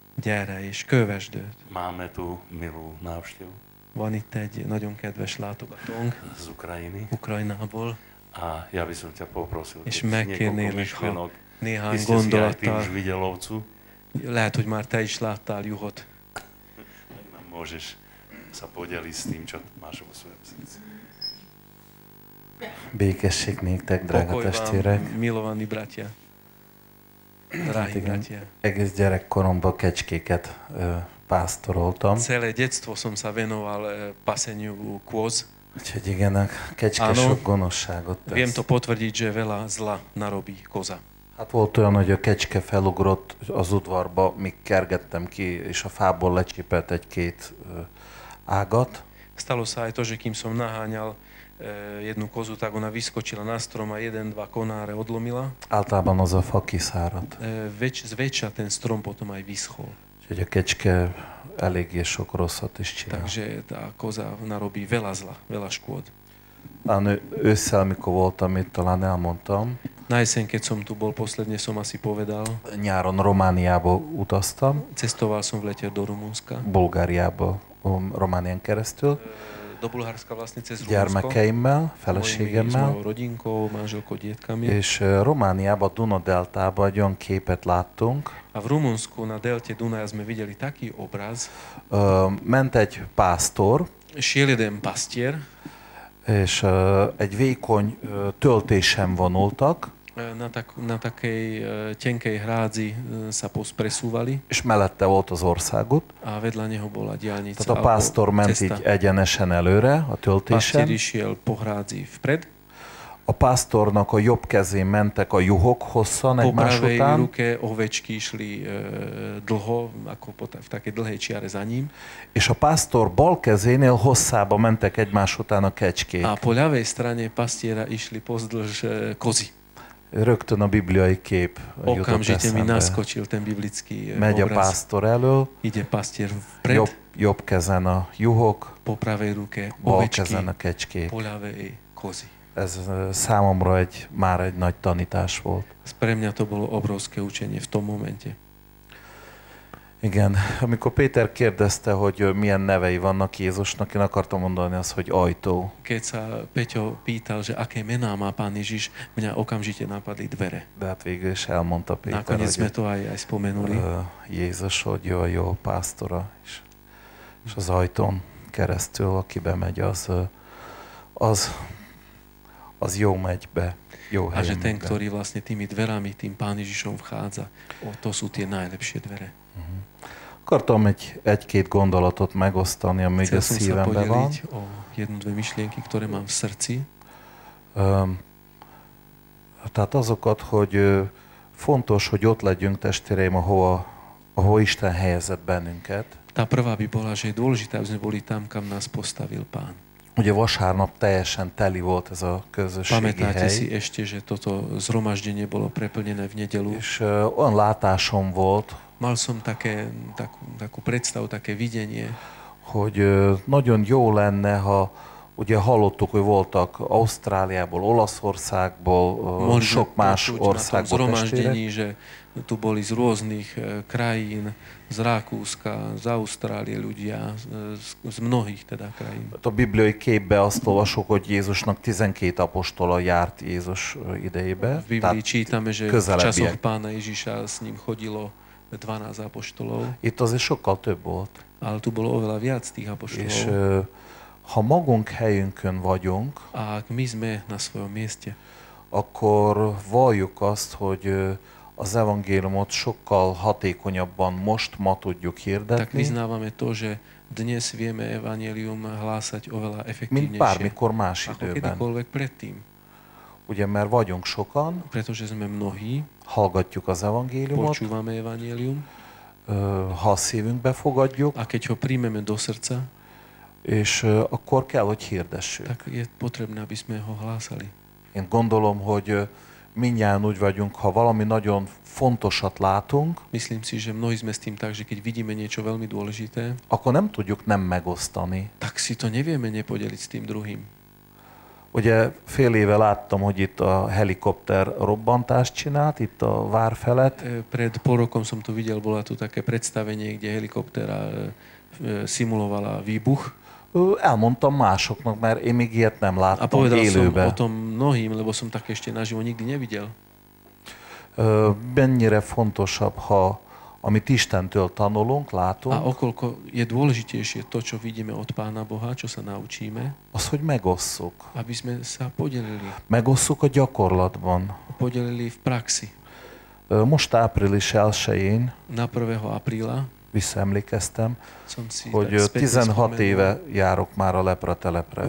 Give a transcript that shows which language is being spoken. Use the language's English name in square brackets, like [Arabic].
[Hungarian] Gyere és kövesd őt. [Slovak] Máme tu milú návštevu. [Hungarian] Van itt egy nagyon kedves látogatónk. [Slovak] Z Ukrajiny. [Hungarian] Ukrajnából. [Slovak] A ja by som ťa poprosil. [Hungarian] És megkérnélek, ha néhány gondolattal. [Slovak] Ty si aj videl ovcu. [Hungarian] Lehet, hogy már te is láttál juhot. [Slovak] Nem môžeš sa podeli s tým, čo máš vo svojom srdci. [Hungarian] Békesség néktek, drága testvérek. [Slovak] Pokoj vám, milovaní bratia. Drahí bratia. [Hungarian] Egész gyerekkoromban kecskéket pásztoroltam. [Slovak] Celé detstvo som sa venoval paseniu kôz. [Hungarian] Úgyhogy igen, a kecske [Slovak] ano, [Hungarian] sok gonoszságot tesz. [Slovak] Viem to potvrdiť, že veľa zla narobí koza. [Hungarian] Hát volt olyan, hogy a kecske felugrott az udvarba, míg kergettem ki, és a fából lecsípelt egy-két ágat. [Slovak] Stalo sa aj to, že kým som naháňal jednu kozu, tak ona vyskočila na strom a jeden, dva konáre odlomila. [Hungarian] Általában az a fa kiszárad. [Slovak] Zväčša ten strom potom aj vyschol. Čiže [Hungarian] a kecske eléggé sok rosszat is csinál. [Slovak] Takže tá koza narobí veľa zla, veľa škôd. [Hungarian] ősszel, amikor voltam itt, talán elmondtam. [Slovak] Na jeszen, keď som tu bol posledne, som asi povedal. [Hungarian] Nyáron Romániába utaztam. [Slovak] Cestoval som v lete do Rumunska. [Hungarian] Bulgáriába, Románián keresztül. [Slovak] Do Bulharska vlastne cez Rumunsko. [Hungarian] Gyermekeimmel, feleségemmel. [Slovak] Mojimi, rodinkou, manželkou, dietkami. [Hungarian] És Romániába, Duna deltába egy olyan képet láttunk. [Slovak] A v Rumunsku na delte Dunaja sme videli taký obraz. [Hungarian] Ment egy pásztor. [Slovak] Šiel jeden pastier. [Hungarian] És egy vékony töltésen vonultak. [Slovak] Na takej tenkej hrádzi sa presúvali. [Hungarian] És mellette volt az országút. [Slovak] A vedľa neho bola diaľnica. [Hungarian] Tehát a pásztor ment így egyenesen előre a töltésen. [Slovak] Pastier is jel po hrádzi vpred. [Hungarian] A pásztornak a jobb kezén mentek a juhok hosszan egymás után. [Slovak] Po pravej ruke ovečky išli dlho, ako v takej dlhej čiare za ním. [Hungarian] És a pásztor bal kezénél hosszába mentek egymás után a kecskék. [Slovak] A po ľavej strane pastiera išli pozdĺž kozy. [Hungarian] Rögtön a bibliai kép jutott eszembe. [Slovak] Okamžite mi naskočil ten biblický obraz. [Hungarian] Megy a pásztor elől. [Slovak] Ide pastier vpred. [Hungarian] Jobb kezen a juhok. [Slovak] Po pravej ruke [Hungarian] bal [Slovak] ovečky. [Hungarian] Bal kezen a kecskék. [Slovak] Po ľavej kozy. [Hungarian] Ez számomra már egy nagy tanítás volt. Ez [Slovak] pre mňa to bolo obrovské učenie v tom momente. [Hungarian] Igen, amikor Péter kérdezte, hogy milyen nevei vannak Jézusnak, én akartam mondani azt, hogy ajtó. [Slovak] Keď sa Peťo pýtal, že aké mená má Pán Ježiš, mňa okamžite napadli dvere. [Hungarian] De hát végül is elmondta Péter. [Slovak] Nakoniec sme to aj spomenuli. [Hungarian] Jézus, hogy ő a jó pásztora, és az ajtón keresztül, aki bemegy, az jó megy be, jó helyen. [Slovak] A že ten, ktorý vlastne tými dverami, tým Pán Ježišom vchádza, to sú tie najlepšie dvere. Uh-huh. [Hungarian] Akartam egy-két gondolatot megosztani, ami ugye szívembe van. [Slovak] Chcel som sa podeliť o jednu-dve myšlienky, ktoré mám v srdci. [Hungarian] Tehát azokat, hogy fontos, hogy ott legyünk testvéreim, ahova Isten helyezett bennünket. [Slovak] Tá prvá by bola, že je dôležité, aby sme boli tam, kam nás postavil Pán. [Hungarian] Ugye vasárnap teljesen teli volt ez a közösségi [Slovak] Pamätáte [Hungarian] hely. [Slovak] Si ešte, že toto zhromaždenie bolo preplnené v nedeľu. [Hungarian] És olyan látásom volt. [Slovak] Mal som takú predstavu, také videnie. [Hungarian] Hogy nagyon jó lenne, ha ugye hallottuk, hogy voltak Ausztráliából, Olaszországból, sok más országból testvérek. [Slovak] Mal som takú zhromaždenie, že tu boli z rôznych krajín, z Rakúska, z Ausztrálie ľudia, z mnohých teda krajín. [Hungarian] A bibliai képbe azt olvasok, hogy Jézusnak 12 apostola járt Jézus idejébe. [Slovak] V Biblii čítame, že [Hungarian] közelebbiek. [Slovak] V časoch Pána Ježiša s ním chodilo 12 apoštolov. [Hungarian] Itt azért sokkal több volt. [Slovak] Ale tu bolo oveľa viac tých apoštolov. [Hungarian] És ha magunk helyünkön vagyunk, [Slovak] a ak my sme na svojom mieste, [Hungarian] akkor valljuk azt, hogy az evangéliumot sokkal hatékonyabban most ma tudjuk hirdetni. [Slovak] Tak vyznávame to, že dnes vieme evangélium hlásať oveľa efektívnejšie. [Hungarian] Mint bármikor más időben. [Slovak] Ako kedykoľvek predtým. [Hungarian] Ugye, mert vagyunk sokan. [Slovak] Pretože sme mnohí. [Hungarian] Hallgatjuk az evangéliumot. [Slovak] Počúvame evangélium. [Hungarian] Ha a szívünkbe fogadjuk. [Slovak] A keď ho príjmeme do srdca. [Hungarian] És akkor kell, hogy hirdessük. [Slovak] Tak je potrebné, aby sme ho hlásali. [Hungarian] Én gondolom, hogy mindjárt úgy vagyunk, ha valami nagyon fontosat látunk. [Slovak] Myslím si, že mnohí sme s tým tak, že keď vidíme niečo veľmi dôležité, [Hungarian] akkor nem tudjuk nem megosztani. [Slovak] Tak si to nevieme nepodeliť s tým druhým. [Hungarian] Ugye fél éve láttam, hogy itt a helikopter robbantást csinált, itt a vár felett. [Slovak] Pred pol rokom som to videl, bola tu také predstavenie, kde helikoptera simulovala výbuch. [Hungarian] Elmondtam másoknak, mert én még ilyet nem láttam élőben. [Slovak] A povedal [Hungarian] élőbe. [Slovak] Som o tom mnohým, lebo som tak ešte naživo nikdy nevidel. [Hungarian] Mennyire fontosabb, ha amit Istentől tanulunk, látunk. [Slovak] A okolko je dôležitejšie to, čo vidíme od Pána Boha, čo sa naučíme. [Hungarian] Az, hogy megosszuk. [Slovak] Aby sme sa podelili. [Hungarian] Megosszuk a gyakorlatban. [Slovak] Podelili v praxi. [Hungarian] Most április 1-én. [Slovak] Na 1. apríla. [Hungarian] Visszaemlékeztem, hogy 16 éve járok már a lepra telepre.